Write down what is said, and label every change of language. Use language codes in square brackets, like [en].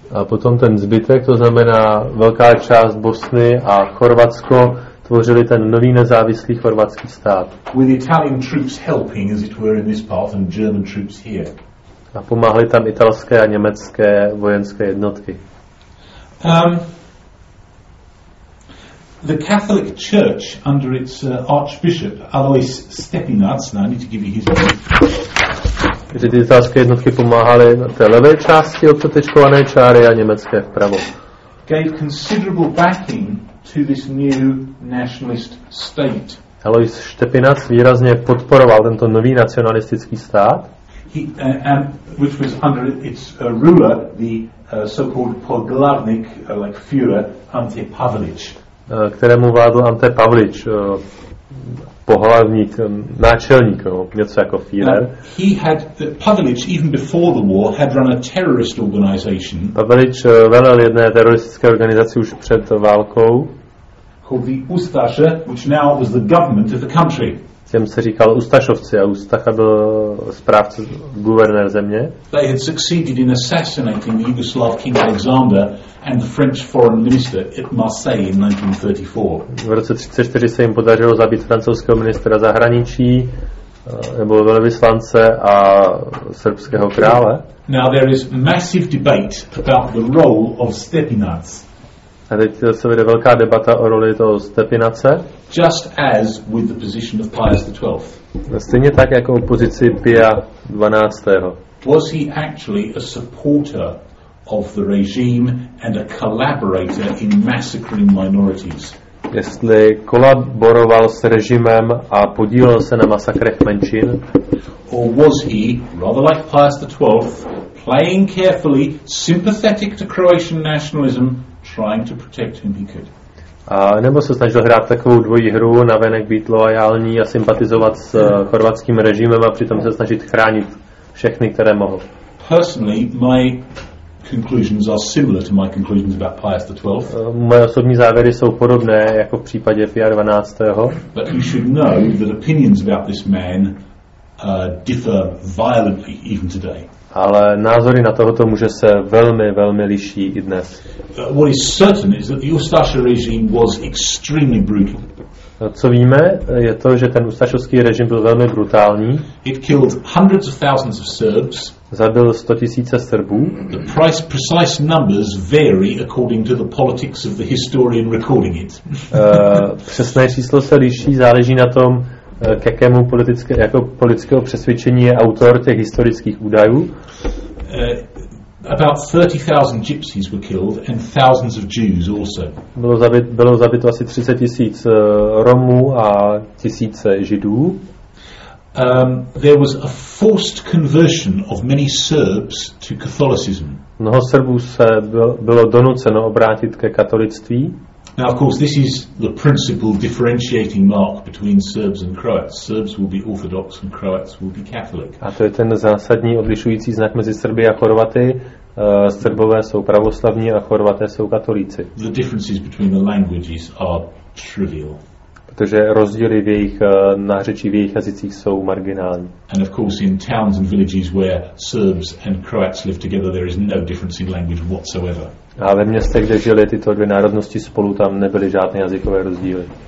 [cs] A potom ten zbytek, to znamená velká část Bosny a Chorvatsko, tvořili ten nový nezávislý chorvatský stát. [en] With Italian troops helping, as it were, in this part, and German troops here. [cs] A pomáhly tam italské a německé vojenské jednotky. [en] The Catholic Church under its archbishop Alois Stepinac, now I need to give you his name. [cs] Že ty italské jednotky pomáhaly té levé části odcetečkované čáry a německé vpravo. [en] Gave considerable backing to this new nationalist state. [cs] Alois Stepinac výrazně podporoval tento nový nacionalistický stát. [en] Which was under its ruler, the so-called Poglarnik, like Führer, Ante Pavlič. [cs] Kterému vádl Ante Pavlič, pohlavník, náčelník, něco jako Führer. [en] Pavlič, even before the war, had run a terrorist organization. [cs] Pavlič velel jedné teroristické organizaci už před válkou. [en] Called the Ustaše, which now was the government of the country. [cs] Těm se říkal Ustašovci a Ustaša byl správce, guvernér země. [en] They had succeeded in assassinating the Yugoslav King Alexander and the French foreign minister at Marseille in 1934. [cs] V roce 1934 se jim podařilo zabít francouzského ministra zahraničí nebo velvyslance a srbského krále. [en] Now there is massive debate about the role of Stepinac. [cs] A teď se vede velká debata o roli toho Stepinace. [en] Just as with the position of Pius the 12th. [cs] Stejně tak jako o pozici Pia 12. [en] Was he actually a supporter of the regime and a collaborator in massacring minorities? [cs] Jestli kolaboroval s režimem a podílel se na masakrech menšin? [en] Or was he, rather like Pius the 12th, playing carefully, sympathetic to Croatian nationalism, trying to protect whom he could? [cs] A nebo se snažil hrát takovou dvojí hru, navenek být loajální a sympatizovat s chorvatským režimem a přitom se snažit chránit všechny, které mohl. [en] Personally, my conclusions are similar to my conclusions about Pius the 12th. [cs] Moje osobní závěry jsou podobné jako v případě Pia 12. [en] But you should know that opinions about this man differ violently even today. [cs] Ale názory na tohoto muže se velmi, velmi liší i dnes. [en] What is certain is that the Ustaša regime was extremely brutal. [cs] Co víme, je to, že ten ustašovský režim byl velmi brutální. [en] It killed hundreds of thousands of Serbs. [cs] Zabil 100 tisíce Srbů. [en] The precise numbers vary according to the politics of the historian recording it. [cs] Přesné číslo se liší, záleží na tom, k jakému politického přesvědčení je autor těch historických údajů. [en] About 30,000 gypsies were killed and thousands of Jews also. [cs] Bylo zabito asi 30 tisíc Romů a tisíce Židů. [en] There was a forced conversion of many Serbs to Catholicism. [cs] Mnoho Srbů se bylo donuceno obrátit ke katolictví. [en] Now of course this is the principal differentiating mark between Serbs and Croats. Serbs will be Orthodox and Croats will be Catholic. [cs] A to je ten zásadní odlišující znak mezi Srby a Chorvaty. Srbové jsou pravoslavní a Chorvaté jsou katolíci. [en] The differences between the languages are trivial. [cs] Protože rozdíly v jejich nářečí, v jejich jazycích jsou marginální. [en] And of course in towns and villages where Serbs and Croats live together there is no difference in language whatsoever. [cs] A ve městech, kde žili tyto dvě národnosti spolu, tam nebyly žádné jazykové rozdíly.